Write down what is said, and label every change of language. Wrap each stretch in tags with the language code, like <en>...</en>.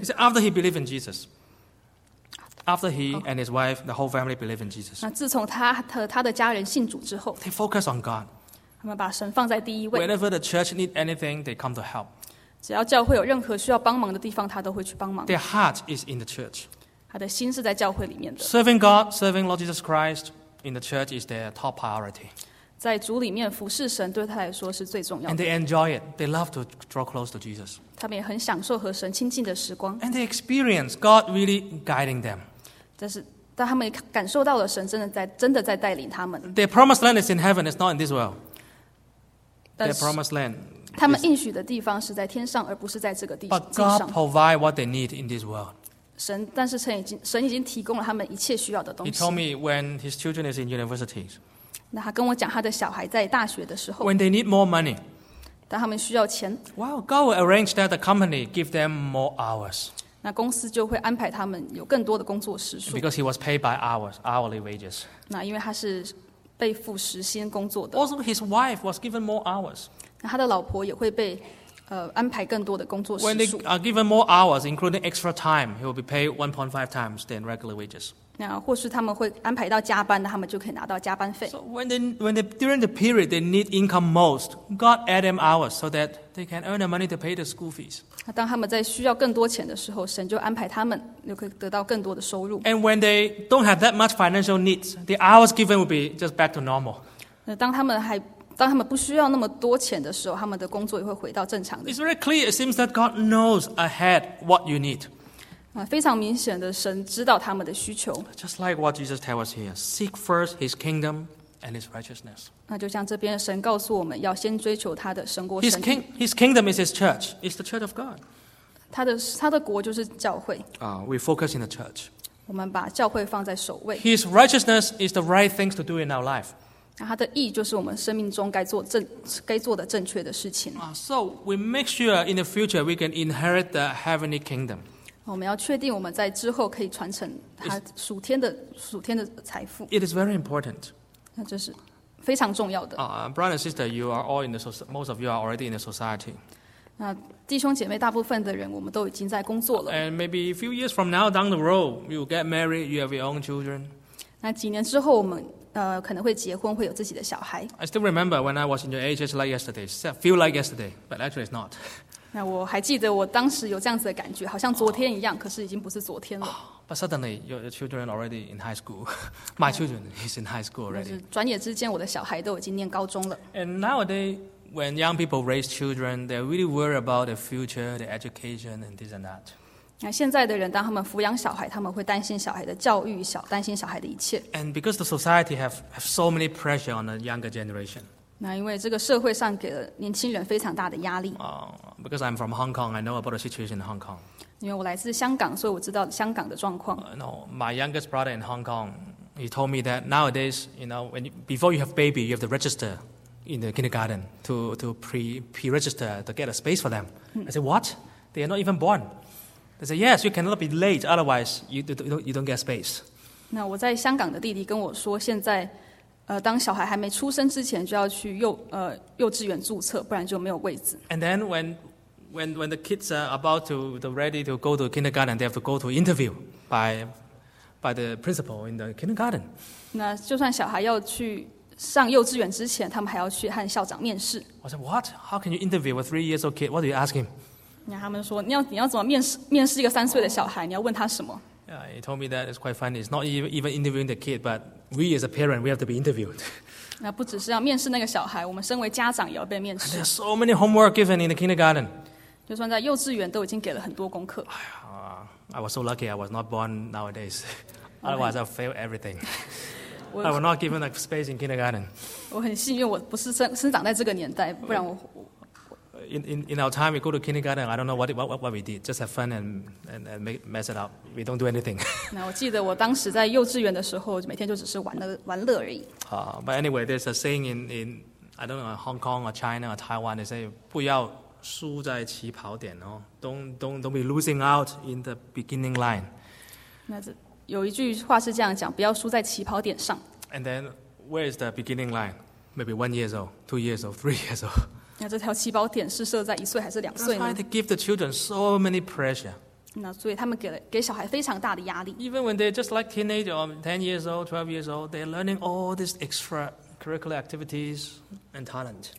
<en>He said after he believed in Jesus, after he and his wife, the whole family believed in Jesus.</en> <zh>那自从他和他的家人信主之后,</zh> <en>they focus on God.</en> <zh>他们把神放在第一位。</zh> <en>Whenever the church needs anything, they come to help.</en> <zh>只要教会有任何需要帮忙的地方, 他都会去帮忙。</zh> <en>Their heart is in the church.</en> <zh>他的心是在教会里面的。</zh> <en>Serving God, serving Lord Jesus Christ in the church is their top priority.</en> <zh>在主里面服侍神, 对他来说是最重要的。</zh> <en>And they enjoy it. They love to draw close to Jesus.</en> <zh>他们也很享受和神亲近的时光。</zh> <en>And they experience God really guiding them.</en> <zh>但是当他们感受到了神真的在带领他们。</zh> <en>Their promised land is in heaven, it's not in this world. Their promised land.</en> <zh>他们应许的地方是在天上，而不是在这个地上。</zh> <en>But God provides what they need in this world.</en> <zh>神已经提供了他们一切需要的东西。</zh> <en>He told me when his children is in universities.</en> <zh>那他跟我讲他的小孩在大学的时候。</zh> <en>When they need more money.</en> <zh>当他们需要钱。</zh> <en>Wow, God will arrange that the company give them more hours.</en> <zh>那公司就会安排他们有更多的工作时数。</zh> <en>Because he was paid by hours, hourly wages.</en> <zh>那因为他是被付时薪工作的。</zh> <en>Also, his wife was given more hours.</en> <zh>那他的老婆也会被安排更多的工作时数。</zh> <en>When they are given more hours, including extra time, he will be paid 1.5 times than regular wages.</en> <zh>那或是他们会安排到加班的，他们就可以拿到加班费。</zh> <en>So when they during the period they need income most, God add them hours so that they can earn the money to pay the school fees.</en> <zh>那当他们在需要更多钱的时候，神就安排他们就可以得到更多的收入。</zh> <en>And when they don't have that much financial needs, the hours given will be just back to normal.</en> <zh>那当他们不需要那么多钱的时候，他们的工作也会回到正常的。</zh> <en>It's very clear. It seems that God knows ahead what you need.</en> <zh>非常明显的，神知道他们的需求。</zh> <en>Just like what Jesus tells us here, seek first His kingdom and His righteousness.</en> <zh>那就像这边神告诉我们要先追求他的神国。</zh> <en>His kingdom is His church. It's the church of God.</en> <zh>他的国就是教会。</zh> <en>We focus in the church.</en> <zh>我们把教会放在首位。</zh> <en>His righteousness is the right things to do in our life.</en> <zh>他的义就是我们生命中该做的正确的事情。</zh> <en>So we make sure in the future we can inherit the heavenly kingdom.</en> <zh>我们要确定我们在之后可以传承他属天的财富。</zh> <en>It is very important.</en> <zh>那这是非常重要的。</zh> <en>Brother and sister, you are all in the society. Most of you are already in the society.</en> <zh>那弟兄姐妹，大部分的人我们都已经在工作了。</zh> <en>And maybe a few years from now, down the road, you get married, you have your own children.</en> <zh>那几年之后，我们可能会结婚，会有自己的小孩。</zh> <en>I still remember when I was in your age, just like yesterday, feel like yesterday, but actually it's not.</en> <zh>那我还记得我当时有这样子的感觉，好像昨天一样，可是已经不是昨天了。</zh> <en>But suddenly, your children already in high school. My children is in high school already.</en> <zh>转眼之间，我的小孩都已经念高中了。</zh> <en>And nowadays, when young people raise children, they really worry about their future, their education, and this and that.</en> <zh>那现在的人，当他们抚养小孩，他们会担心小孩的教育，担心小孩的一切。</zh> <en>And because the society have so many pressure on the younger generation.</en> <zh>那因为这个社会上给了年轻人非常大的压力。</zh> <en>Because I'm from Hong Kong, I know about the situation in Hong Kong.</en> <zh>因为我来自香港，所以我知道香港的状况。</zh> <en>No, my youngest brother in Hong Kong, he told me that nowadays, you know, when before you have baby, you have to register in the kindergarten to pre-register to get a space for them. I said, what? They are not even born. They say, yes, you cannot be late, otherwise you don't get space.</en> <zh>那我在香港的弟弟跟我说，现在当小孩还没出生之前就要去幼稚园注册，不然就没有位置。</zh> <en>And then when the kids are about to, they're ready to go to kindergarten, they have to go to interview by the principal in the kindergarten.</en> <zh>那就算小孩要去上幼稚园之前，他们还要去和校长面试。</zh> <en>I said, what? How can you interview with 3 years old kid? What do you ask him?</en> <zh>那他们说你要怎么面试一个三岁的小孩？你要问他什么</zh> <en>？Yeah, he told me that it's quite funny. It's not even interviewing the kid, but we as a parent, we have to be interviewed.</en> <zh>那不只是要面试那个小孩，我们身为家长也要被面试。</zh> <en>There's so many homework given in the kindergarten.</en> <zh>就算在幼稚园都已经给了很多功课。</zh> <en>I was so lucky. I was not born nowadays. Otherwise, I'll fail everything. I was not given a space in kindergarten.</en> <zh>我很幸运，我不是生长在这个年代，不然我。</zh> <en>In our time, we go to kindergarten. I don't know what we did. Just have fun and make mess it up. We don't do anything.</en> <zh>那我记得我当时在幼稚园的时候，每天就只是玩乐而已。</zh> <en>But anyway, there's a saying in I don't know Hong Kong or China or Taiwan. They say</en> <zh>不要输在起跑点哦</zh> <en>，don't be losing out in the beginning line.</en> <zh>那这有一句话是这样讲，不要输在起跑点上。</zh> <en>And then where is the beginning line? Maybe 1 year old, 2 years old, 3 years old.</en> <zh>那这条起跑点是设在一岁还是两岁呢</zh> <en>？That's why they give the children so many pressure.</en> <zh>那所以他们给小孩非常大的压力。</zh> <en>Even when they're just like teenager, 10 years old, 12 years old, they're learning all these extracurricular activities and talent.</en>